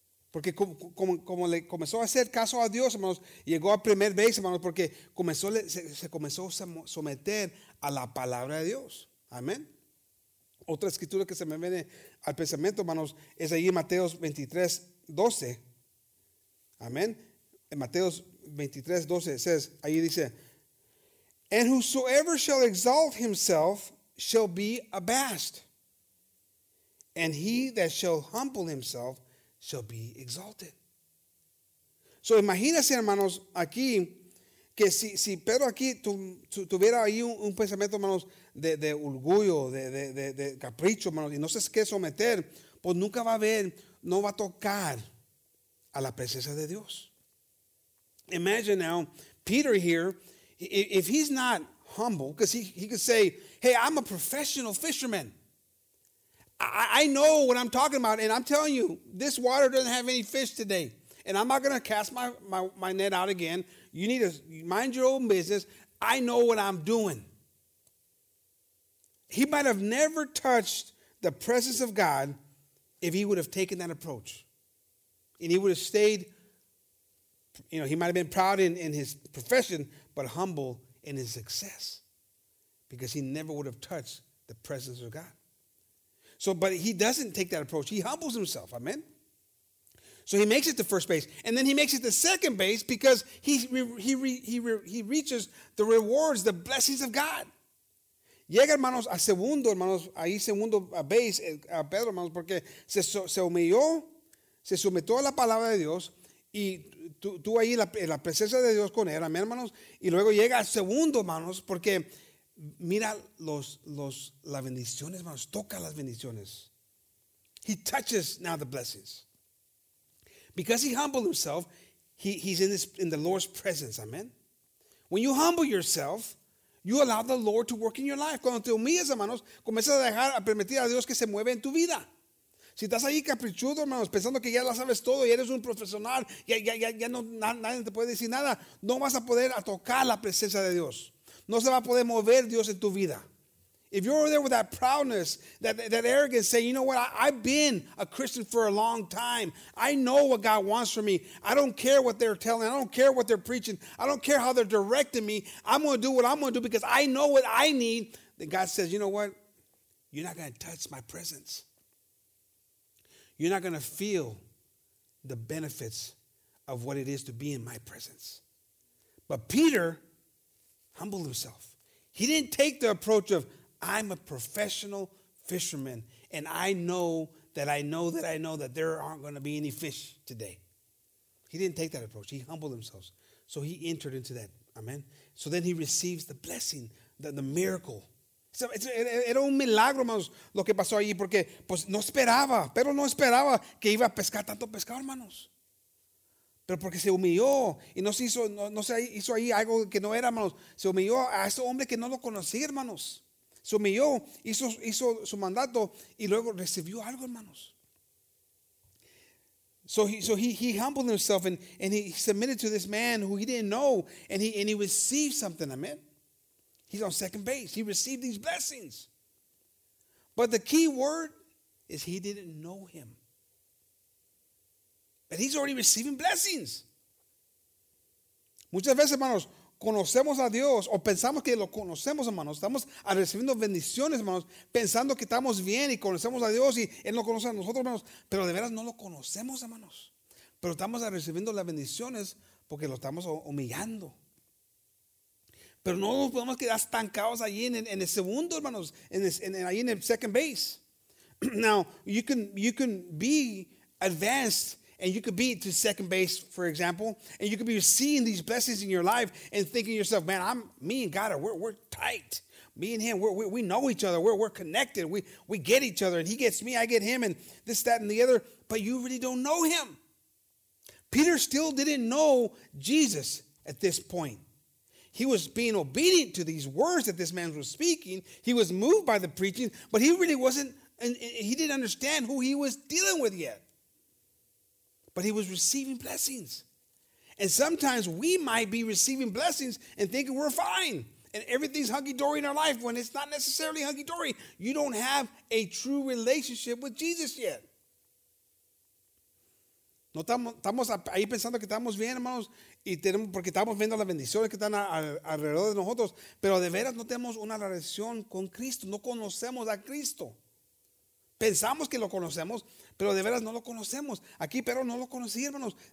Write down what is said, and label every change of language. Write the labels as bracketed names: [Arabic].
[Spanish] Porque como le comenzó a hacer caso a Dios, hermanos, llegó a primer base, hermanos, porque se comenzó a someter a la palabra de Dios. Amen. Otra escritura que se me viene al pensamiento, hermanos, es ahí en Mateo 23:12. Amen. [English] In Mateo 23:12, it says, [Spanish] ahí dice, [English] and whosoever shall exalt himself shall be abased, and he that shall humble himself shall be exalted. [Spanish] So imagínense, hermanos, aquí, que si Pedro aquí tuviera ahí un pensamiento, hermanos, de orgullo, de capricho, hermanos, y no sé qué someter, pues nunca va a ver, no va a tocar a la presencia de Dios. [English] Imagine now, Peter here, if he's not humble, because he could say, hey, I'm a professional fisherman. I know what I'm talking about, and I'm telling you, this water doesn't have any fish today, and I'm not going to cast my net out again. You need to mind your own business. I know what I'm doing. He might have never touched the presence of God if he would have taken that approach. And he would have stayed, you know, he might have been proud in his profession, but humble in his success, because he never would have touched the presence of God. So, but he doesn't take that approach. He humbles himself. Amen. So he makes it to first base, and then he makes it to second base because he reaches the rewards, the blessings of God. [Spanish] Llega, hermanos, a segundo, hermanos, ahí segundo a base, a Pedro, hermanos, porque se sometió a la palabra de Dios y tú ahí la presencia de Dios con él, amén, hermanos. Y luego llega a segundo, hermanos, porque mira las bendiciones, hermanos, toca las bendiciones. [English] He touches now the blessings. Because he humbled himself, he's in the Lord's presence. Amen. When you humble yourself, you allow the Lord to work in your life. [Spanish] Cuando te humillas, hermanos, comienzas a dejar a permitir a Dios que se mueva en tu vida. Si estás ahí caprichudo, hermanos, pensando que ya la sabes todo y eres un profesional, ya no, nadie te puede decir nada, no vas a poder a tocar la presencia de Dios. No se va a poder mover Dios en tu vida. [English] If you're over there with that proudness, that arrogance, saying, you know what, I've been a Christian for a long time. I know what God wants from me. I don't care what they're telling. I don't care what they're preaching. I don't care how they're directing me. I'm going to do what I'm going to do because I know what I need. Then God says, you know what, you're not going to touch my presence. You're not going to feel the benefits of what it is to be in my presence. But Peter humbled himself. He didn't take the approach of, I'm a professional fisherman, and I know that I know that I know that there aren't going to be any fish today. He didn't take that approach. He humbled himself. So he entered into that. Amen. So then he receives the blessing, the miracle. [Spanish] So era un milagro, hermanos, lo que pasó allí, porque pues no esperaba, pero no esperaba que iba a pescar tanto pescado, hermanos. Pero porque se humilló y no se hizo ahí algo que no era, hermanos. Se humilló a ese hombre que no lo conocía, hermanos. Se humilló, hizo su mandato y luego recibió algo, hermanos. [English] So he humbled himself and he submitted to this man who he didn't know, and he received something, amen. He's on second base. He received these blessings. But the key word is he didn't know him. But he's already receiving blessings. [Spanish] Muchas veces, hermanos, conocemos a Dios o pensamos que lo conocemos, hermanos. Estamos recibiendo bendiciones, hermanos, pensando que estamos bien y conocemos a Dios y Él lo conoce a nosotros, hermanos. Pero de veras no lo conocemos, hermanos. Pero estamos recibiendo las bendiciones porque lo estamos humillando. Pero no nos podemos quedar estancados allí en el segundo, hermanos, allí en el [English] second base. Now, you can be advanced. And you could be to second base, for example, and you could be seeing these blessings in your life and thinking to yourself, man, me and God, we're tight. Me and him, we know each other. We're connected. We get each other. And he gets me, I get him, and this, that, and the other. But you really don't know him. Peter still didn't know Jesus at this point. He was being obedient to these words that this man was speaking. He was moved by the preaching, but he really wasn't, and he didn't understand who he was dealing with yet. But he was receiving blessings. And sometimes we might be receiving blessings and thinking we're fine. And everything's hunky-dory in our life when it's not necessarily hunky-dory. You don't have a true relationship with Jesus yet. [Spanish] No estamos ahí pensando que estamos bien, hermanos, y tenemos, porque estamos viendo las bendiciones que están alrededor de nosotros. Pero de veras no tenemos una relación con Cristo. No conocemos a Cristo. Pensamos que lo conocemos, pero de veras no lo conocemos. Aquí Pedro no lo conocía, hermanos.